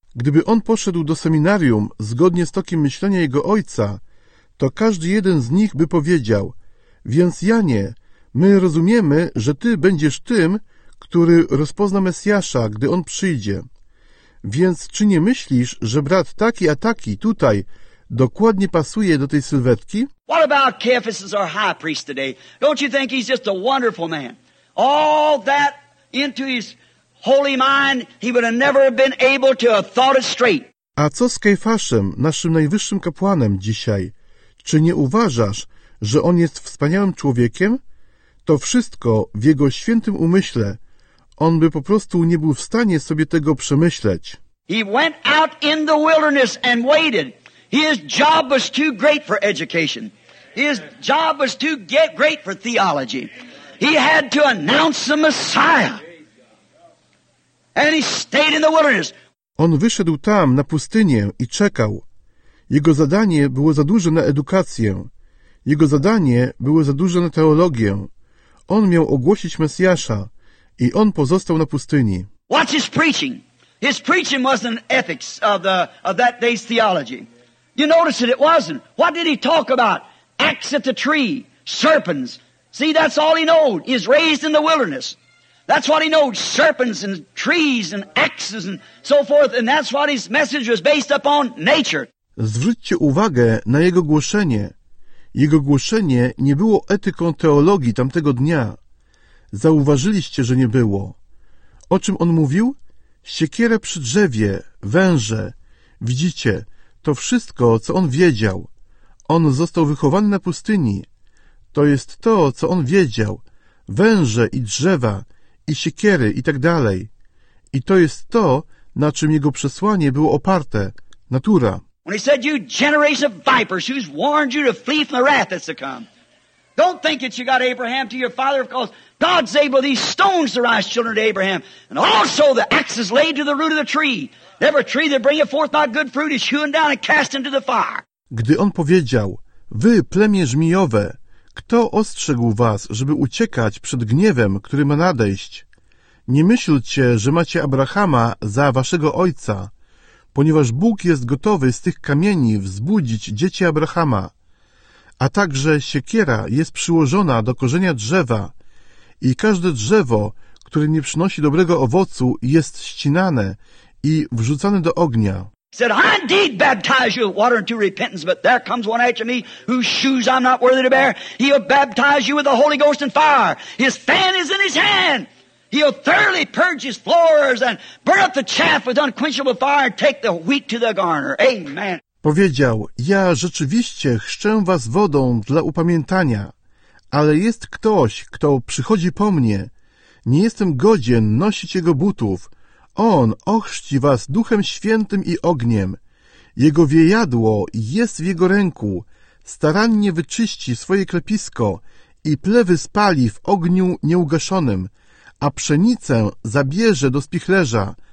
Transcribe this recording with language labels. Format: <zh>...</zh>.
<pl>Gdyby on poszedł do seminarium zgodnie z tokiem myślenia jego ojca, to każdy jeden z nich by powiedział, więc Janie, my rozumiemy, że ty będziesz tym, który rozpozna Mesjasza, gdy on przyjdzie. Więc czy nie myślisz, że brat taki a taki tutaj dokładnie pasuje do tej sylwetki?</pl> <en>What about Cephas as our high priest today? Don't you think he's just a wonderful man? All that into his holy mind, he would have never been able to have thought it straight.</en> <pl>A co z Kajfaszem, naszym najwyższym kapłanem dzisiaj? Czy nie uważasz, że on jest wspaniałym człowiekiem? To wszystko w jego świętym umyśle. On by po prostu nie był w stanie sobie tego przemyśleć.</pl> <en>He went out in the wilderness and waited. His job was too great for education. His job was too great for theology. He had to announce the Messiah. And he stayed in the wilderness.</en> <pl>On wyszedł tam, na pustynię, i czekał. Jego zadanie było za duże na edukację. Jego zadanie było za duże na teologię. On miał ogłosić Mesjasza, i on pozostał na pustyni.</pl> <en>What's his preaching? His preaching wasn't ethics of that day's theology. You notice it, it wasn't. What did he talk about? Axe at the tree, serpents. See, that's all he knows. He's raised in the wilderness. That's what he knows, serpents and trees and axes and so forth, and that's what his message was based upon nature.</en> <pl>Zwróćcie uwagę na jego głoszenie. Jego głoszenie nie było etyką teologii tamtego dnia. Zauważyliście, że nie było. O czym on mówił? Siekierę przy drzewie, węże. Widzicie, to wszystko, co on wiedział. On został wychowany na pustyni. To jest to, co on wiedział. Węże i drzewa, i siekiery, i tak dalej. I to jest to, na czym jego przesłanie było oparte. Natura.</pl> <en>When he said, you generation of vipers, who's warned you to flee from the wrath that's to come. Don't think that you got Abraham to your father, of course. God's able these stones to rise children to Abraham. And also the axes laid to the root of the tree. Every tree that bringeth forth not good fruit is hewn down and cast into the fire.</en> <pl>Gdy on powiedział, wy plemię żmijowe, kto ostrzegł was, żeby uciekać przed gniewem, który ma nadejść? Nie myślcie, że macie Abrahama za waszego ojca, ponieważ Bóg jest gotowy z tych kamieni wzbudzić dzieci Abrahama. a także siekiera jest przyłożona do korzenia drzewa i każde drzewo, które nie przynosi dobrego owocu, jest ścinane i wrzucane do ognia.</pl> <en>Said, I indeed baptize you with water unto repentance, but there comes one after me whose shoes I'm not worthy to bear. He'll baptize you with the Holy Ghost and fire. His fan is in his hand. He'll thoroughly purge his floors and burn up the chaff with unquenchable fire and take the wheat to the garner. Amen.</en> <pl>Powiedział, ja rzeczywiście chrzczę was wodą dla upamiętania, ale jest ktoś, kto przychodzi po mnie. Nie jestem godzien nosić jego butów. On ochrzci was Duchem Świętym i ogniem. Jego wiejadło jest w jego ręku. Starannie wyczyści swoje klepisko i plewy spali w ogniu nieugaszonym, a pszenicę zabierze do spichlerza.</pl>